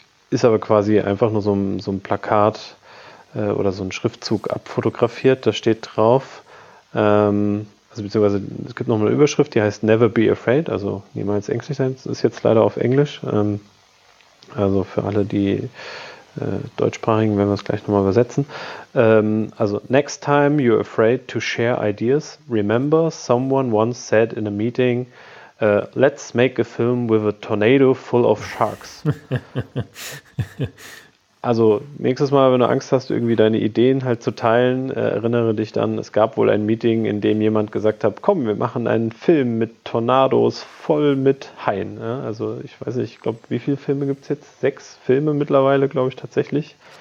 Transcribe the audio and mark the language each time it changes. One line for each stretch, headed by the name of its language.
German: Ist aber quasi einfach nur so ein Plakat oder so ein Schriftzug abfotografiert. Da steht drauf, beziehungsweise es gibt nochmal eine Überschrift, die heißt Never Be Afraid, also niemals ängstlich sein, ist jetzt leider auf Englisch. Also für alle, die deutschsprachigen, werden wir es gleich nochmal übersetzen.
English: Also next time you're afraid to share ideas, remember someone once said in a meeting, let's make a film with a tornado full of sharks.
German: Also nächstes Mal, wenn du Angst hast, irgendwie deine Ideen halt zu teilen, erinnere dich dann, es gab wohl ein Meeting, in dem jemand gesagt hat, komm, wir machen einen Film mit Tornados voll mit Haien. Ja, also ich weiß nicht, ich glaube, wie viele Filme gibt es jetzt? 6 Filme mittlerweile, glaube ich, tatsächlich.